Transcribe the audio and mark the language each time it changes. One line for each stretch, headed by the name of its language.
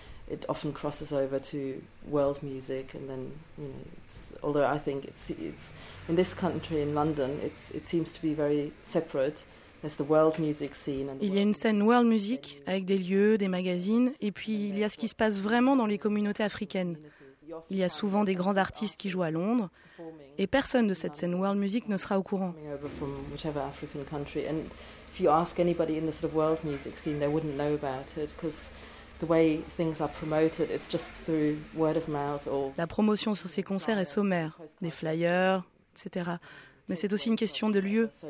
English: It often crosses over to world music, and then, you know, it's, although I think it's in this country, in London, it seems to be very separate. There's the world music scene.
French: Il y a une scène world music avec des lieux, des magazines, et puis il y a ce qui se passe vraiment dans les communautés africaines. Il y a souvent des grands artistes qui jouent à Londres, et personne de cette scène world music ne sera au courant.
English: Coming over from whichever African country, and if you ask anybody in the sort of world music scene, they wouldn't know about it because the way things are promoted, it's just through word of mouth or...
French: La promotion sur ces concerts est sommaire, des flyers, etc. Mais c'est aussi une question de lieu.